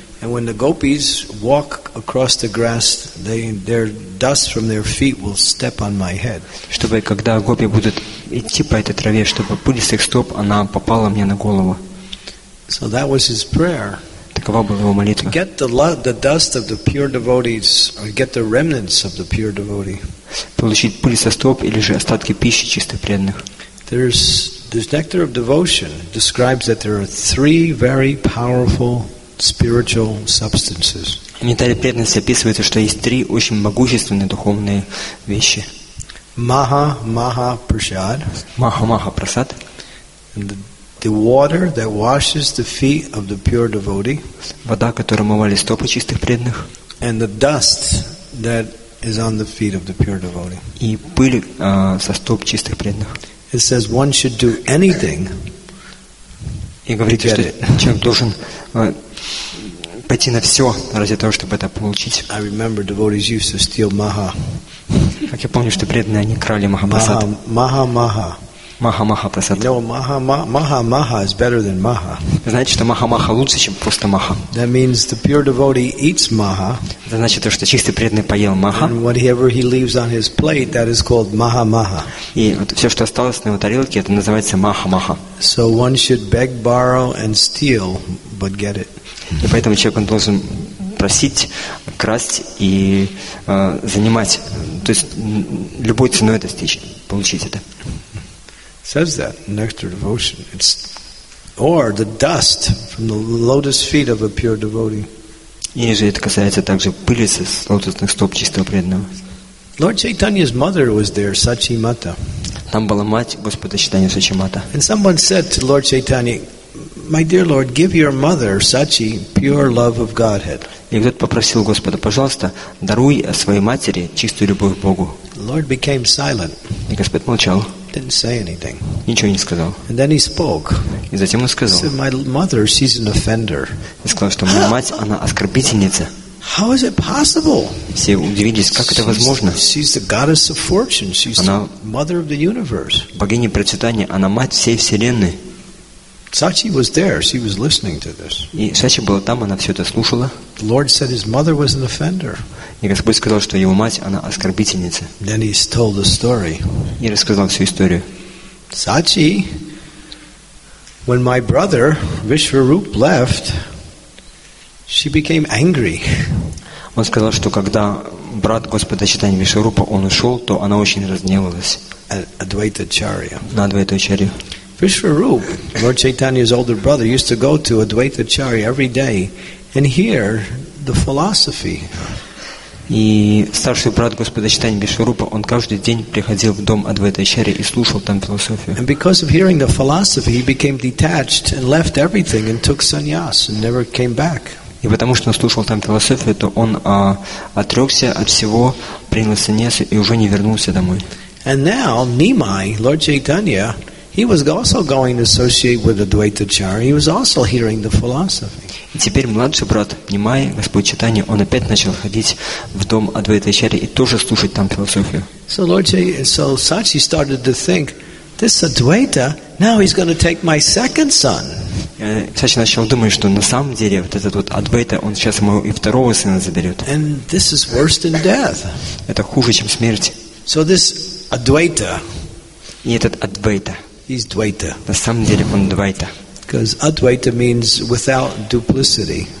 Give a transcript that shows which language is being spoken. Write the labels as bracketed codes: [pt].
[en] And when the gopis walk across the grass, their dust from their feet will step on my head. [ru] Чтобы когда гопи будут идти по этой траве, чтобы пыль с их стоп она попала мне на голову. [en] So that was his prayer. [ru] Такова была его молитва. [en] To get the dust of the pure devotees, or get the remnants of the pure devotee. [ru] Получить пыль со стоп или же остатки пищи чистых преданных. [en] There's nectar of devotion describes that there are three very powerful spiritual substances. [ru] Нектаре преданности описывается, что есть три очень могущественные духовные вещи. [en] Maha-maha-prasad. [ru] Maha-maha-prasad. [en] The water that washes the feet of the pure devotee. [ru] Вода, которая омывает стопы чистых преданных. [en] And the dust that is on the feet of the pure devotee. [ru] И пыль со стоп чистых преданных. [en] It says one should do anything. [ru] И говорит, что человек должен пойти на все ради того, чтобы это получить. [en] I remember devotees used to steal maha. [ru] Как я помню, что преданные они крали махапрасад. [en] Maha maha. [ru] Maha maha prasad. [en] No, maha maha is better than maha. [ru] Значит, что maha maha лучше, чем просто maha. [en] That means the pure devotee eats maha. [ru] Значит, то, что чистый преданный поел maha. [en] And whatever he leaves on his plate, that is called maha maha. [ru] И вот все, что осталось на его тарелке, это называется maha maha. [en] So one should beg, borrow, and steal, but get it. [ru] И поэтому человек должен просить, красть и занимать, то есть любой ценой это стичь, получить это. [en] Says that nectar devotion, it's or the dust from the lotus feet of a pure devotee. [ru] И же это касается также пыли со лотосных стоп чистого преданного. [en] Lord Chaitanya's mother was there, Sachi Mata. [ru] Там была мать Господа Чайтаньи, Сачи Мата. [en] And someone said to Lord Chaitanya, "My dear Lord, give your mother Sachi pure love of Godhead." [ru] И кто-то попросил Господа, пожалуйста, даруй своей матери чистую любовь к Богу. [en] Lord became silent. [ru] И Господь молчал. [en] Didn't say anything. [ru] Ничего не сказал. [en] And then he spoke. [ru] И затем он сказал. [en] He said, "My mother, she's an offender." [ru] И сказал, что моя мать, она оскорбительница. [en] How is it possible? [ru] Все удивились, как это возможно? [en] She's the goddess of fortune. She's the mother of the universe. [ru] Богиня процветания, она мать всей вселенной. [en] Sachi was there. She was listening to this. [ru] И Сачи была там, она все это слушала. [en] The Lord said his mother was an offender. [ru] И Господь сказал, что его мать, она оскорбительница. [en] Then he told the story. [ru] И рассказал всю историю. [en] Sachi, when my brother Vishwaroop left, she became angry. [ru] Он сказал, что когда брат Господа Чайтаньи Вишварупа он ушел, то она очень разгневалась. На Адвайтачарью. [en] Vishwaroop, Lord Chaitanya's older brother, used to go to Advaitacharya every day and hear the philosophy. [ru] И старший брат Господа Чайтаньи Вишварупа, он каждый день приходил в дом Адвайтачарьи и слушал там философию. [en] And because of hearing the philosophy, he became detached and left everything and took sannyas and never came back. [ru] И потому что он слушал там философию, то он отрекся от всего, принял саньясу и уже не вернулся домой. [en] And now Nimai, Lord Chaitanya, he was also going to associate with Advaitacharya. He was also hearing the philosophy. [ru] И теперь младший брат Нимай, Господь Чайтанья, он опять начал ходить в дом Адвайтачарьи и тоже слушать там философию. [en] So Lord Chaitanya, so Sachi started to think, this Advaita, now he's going to take my second son. [ru] Сачи начал думать, что на самом деле вот этот вот Адвейта, он сейчас ему и второго сына заберет. [en] And this is worse than death. [ru] Это хуже, чем смерть. [en] So this Advaita. [ru] И этот Адвейта. [en] He's Dvaita. [ru] На самом деле он Двайта. [en] Because Advaita means without duplicity.